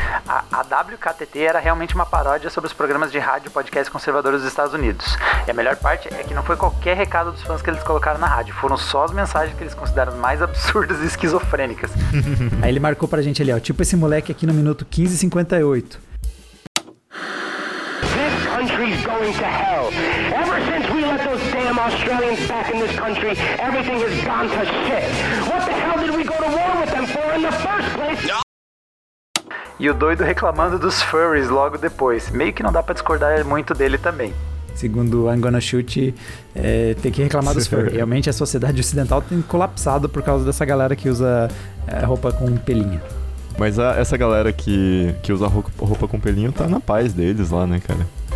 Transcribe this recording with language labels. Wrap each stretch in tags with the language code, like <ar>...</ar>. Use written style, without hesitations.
<pt>A WKTT era realmente uma paródia sobre os programas de rádio e podcasts conservadores dos Estados Unidos. E a melhor parte é que não foi qualquer recado dos fãs que eles colocaram na rádio. Foram só as mensagens que eles consideraram mais absurdas e esquizofrênicas. Aí ele marcou pra gente ali, ó. Tipo esse moleque aqui no minuto 15:58.</pt> <en>This country's going to hell. Ever since we let those damn Australians back in this country, everything has gone to shit. What the hell did we go to war with them for in the first place? No.</en> <pt>E o doido reclamando dos furries logo depois. Meio que não dá pra discordar muito dele também. Segundo o I'm Gonna Shoot, tem que reclamar dos furries. Realmente a sociedade ocidental tem colapsado por causa dessa galera que usa roupa com pelinha. Mas essa galera que usa roupa com pelinho tá na paz deles lá, né, cara?</pt>